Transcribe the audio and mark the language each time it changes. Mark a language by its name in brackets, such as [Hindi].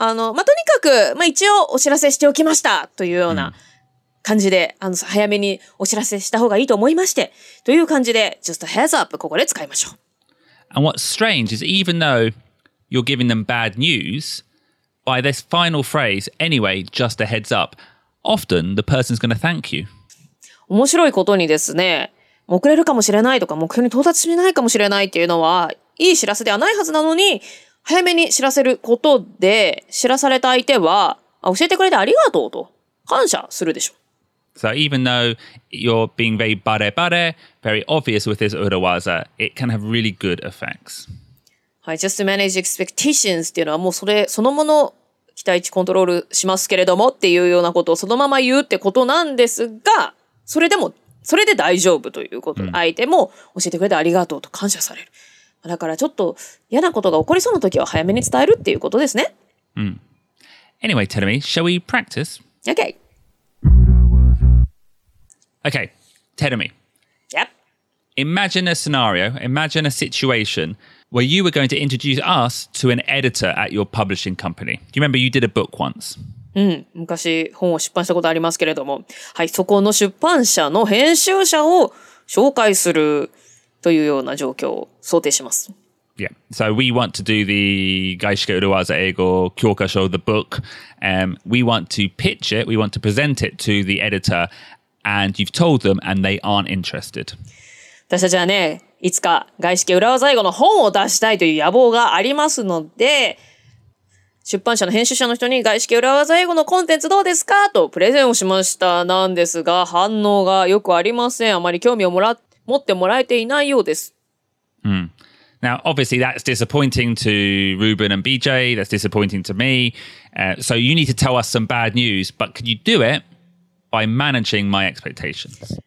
[Japanese] あの、まあ、とにかく、まあ、一応お知らせしておきましたというような感じで、うん、あの、早めにお知らせした方がいいと思いまして、という感じで、 [English] just a heads up [Japanese] ここで使いましょう。 [English] And what's strange is even though you're giving them bad news, by this final phrase, anyway, just a heads up, often the person's going to thank you. [Japanese] 面白いことにですね、遅れるかもしれないとか、目標に到達しないかもしれないっていうのは、いい知らせではないはずなのに、早めに知らせることで知らされた相手は教えてくれてありがとうと感謝するでしょう。 [English] So even though you're being very bare bare, very obvious with this urawaza, it can have really good effects. [Japanese] はい、 [English] just to manage expectations [Japanese] っていうのはもうそれそのもの期待値コントロールしますけれどもっていうようなことをそのまま言うってことなんですが、それでもそれで大丈夫ということで、うん、相手も教えてくれてありがとうと感謝される。だからちょっと嫌なことが起こりそうな時は早めに伝えるっていうことですね。 [English] うん。Anyway, tell me, shall we practice? Okay. Okay, tell me. Yep. Imagine a scenario, imagine a situation where you were going to introduce us to an editor at your publishing company. Do you remember you did a book once? [Japanese] うん、昔本を出版したことありますけれども、はい、そこの出版社の編集者を紹介するというような状況を想定します。 [English] Yeah, so we want to do the 外資系ウルワーザ英語教科書 the book. We want to pitch it. We want to present it to the editor. And you've told them, and they aren't interested. [Japanese] 私たちはね、いつか外資系ウルワーザ英語の本を出したいという野望がありますので、出版社の編集者の人に外資系ウルワーザ英語のコンテンツどうですかとプレゼンをしましたなんですが、反応がよくありません。あまり興味をもらって持ってもらえていないようです。うん。 [English] Now, obviously, that's disappointing to Ruben and BJ. That's disappointing to me. So you need to tell us some bad news. But can you do it by managing my expectations?